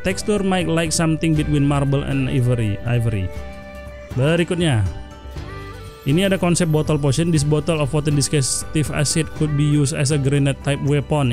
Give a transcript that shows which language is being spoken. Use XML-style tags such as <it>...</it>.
<en>Texture might like something between marble and ivory.</en> <id>Berikutnya, ini ada konsep bottle potion.</id> <en>This bottle of potent digestive acid could be used as a grenade type weapon.</en>